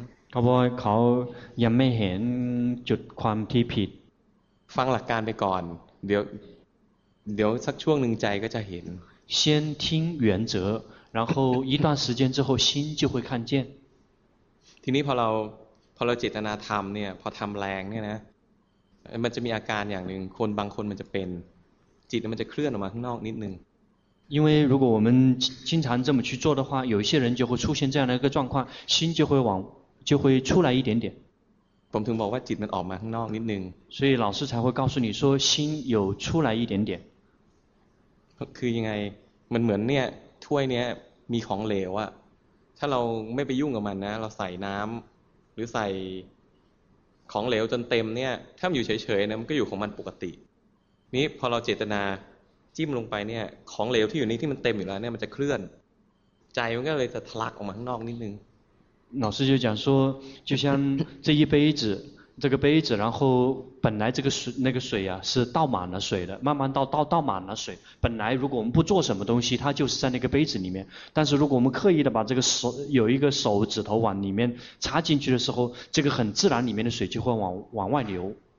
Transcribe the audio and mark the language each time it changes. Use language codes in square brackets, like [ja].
[th] เขาบอกเขายังไม่เห็นจุดความที่ผิด ฟังหลักการไปก่อนเดี๋ยวสักช่วงหนึ่งใจก็จะเห็น [zh] 先听原则然后一段时间之后心就会看见 [th] ทีนี้พอเราเจตนาทำเนี่ยพอทำแรงเนี่ยนะมันจะมีอาการอย่างหนึ่งคนบางคนมันจะเป็นจิตมันจะเคลื่อนออกมาข้างนอกนิดนึง [zh] 因为如果我们经常这么去做的话有一些人就会出现这样的一个状况心就会出来一点点 [th] ผมถึงบอกว่าจิตมันออกมาข้างนอกนิดนึง [zh] 所以老师才会告诉你说心有出来一点点 [th] คือยังไงมันเหมือนเนี่ยถ้วยเนี้ยมีของเหลวอะถ้าเราไม่ไปยุ่งกับมันนะเราใส่น้ำหรือใส่ของเหลวจนเต็มเนี่ยถ้ามันอยู่เฉยๆนะมันก็อยู่ของมันปกตินี้พอเราเจตนาจิ้มลงไปเนี่ยของเหลวที่อยู่นี่ที่มันเต็มอยู่แล้วเนี่ยมันจะเคลื่อนใจมันก็เลยจะทะลักออกมาข้างนอกนิดนึง [zh] 老师就讲说就像这一杯子这个杯子然后本来这个水那个水啊是倒满了水的慢慢倒满了水本来如果我们不做什么东西它就是在那个杯子里面但是如果我们刻意的把这个手有一个手指头往里面插进去的时候这个很自然里面的水就会往外流